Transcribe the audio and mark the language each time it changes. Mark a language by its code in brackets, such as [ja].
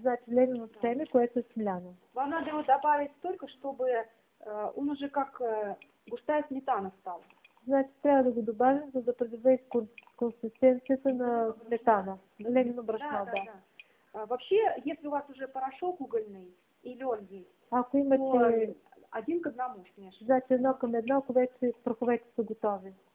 [bg] Значи ленено семе, което е смляно. [ru] Вам надо его добавить столько, чтобы он уже как густая сметана стал. [bg] Значит, трябва да го добавим, за да придобие консистенцията на сметана. Ленено брашно, да. [ru] Вообще, если у вас уже порошок угольный и лен есть, [bg] ако имате [ru] один к одному, конечно. [bg] Значи едно към едно, ако вече праховете са готови.